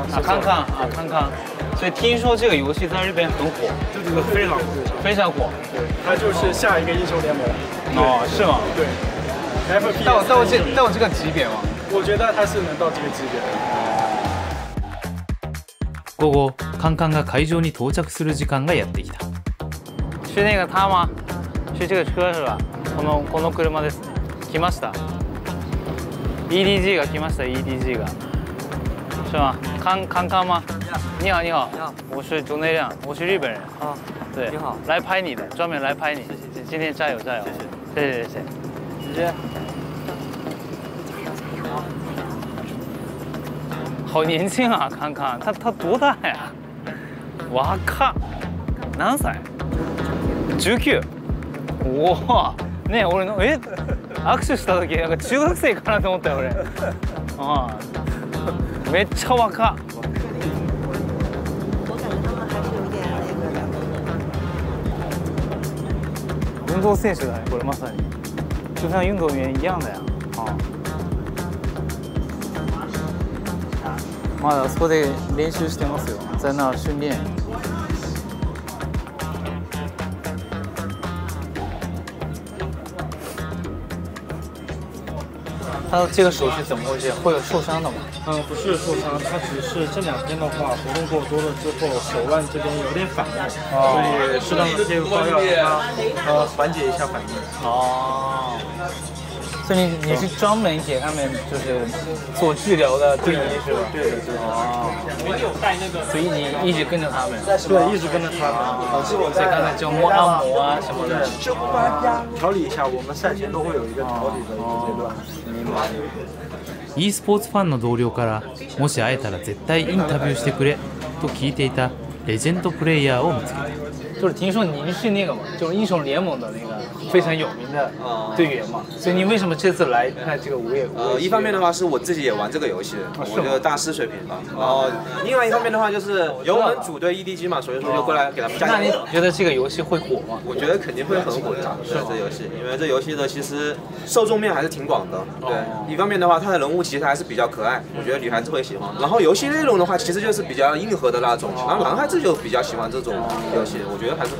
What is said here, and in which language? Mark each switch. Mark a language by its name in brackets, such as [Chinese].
[Chinese] 啊，康康啊，康康。所以听说这个游戏在日本很火。就这个非常火。非常火。对。它就是下一个英雄联盟。哦，是吗？对。FPS。到这个级别吗？我觉得他是能到这个级别的。 [Japanese] 午後、カンカンが会場に到着する時間がやってきた。 [Chinese] 是那个他吗？是这个车是吧？ [Japanese] この車ですね。来ました。EDG が来ました。EDG が。 [Chinese] 是吗？カンカン吗？你好，你好。我是钟内亮，我是日本人。啊，对。你好。来拍你的，专门来拍你。今天加油加油。谢谢谢谢谢谢。直接。好年轻啊，看看他多大呀？哇靠， [Japanese] 何歳？ [Chinese] 19。 [Japanese] 哇，ね、俺の握手した時なんか中学生かなと思ったよ俺。あ、めっちゃ若い。 [Chinese] 运动选手的，我的妈塞，就像运动员一样的呀，啊。 [Japanese] まだそこで練習してますよ。 [Chinese] 在那训练。他这个手是怎么回事？会有受伤的吗？不是受伤，他只是这两天的话活动过多了之后，手腕这边有点反应，所以适当的用膏药给他缓解一下反应。哦。所以你是专门给他们就是做治疗的队医是吧？对对对。啊，我有带那个。所以你一直跟着他们。对，一直跟着他们。啊，是我在刚才就按摩啊什么的。啊，调理一下，我们赛前都会有一个调理的一个阶段。明白。 [Japanese] e スポーツファンの同僚からもし会えたら絶対インタビューしてくれと聞いていたレジェンドプレイヤーを見つけた。 [Chinese] 就是听说您是那个嘛，就是英雄联盟的那个非常有名的队员嘛，所以你为什么这次来看这个五月？一方面的话是我自己也玩这个游戏，我觉得大师水平吧。另外一方面的话就是由我们组队 EDG 嘛，所以说就过来给他们加油。那你觉得这个游戏会火吗？我觉得肯定会很火的，是这游戏，因为这游戏的其实受众面还是挺广的。对，一方面的话，它的人物其实还是比较可爱，我觉得女孩子会喜欢。然后游戏内容的话，其实就是比较硬核的那种，然后男孩子就比较喜欢这种游戏，我觉得。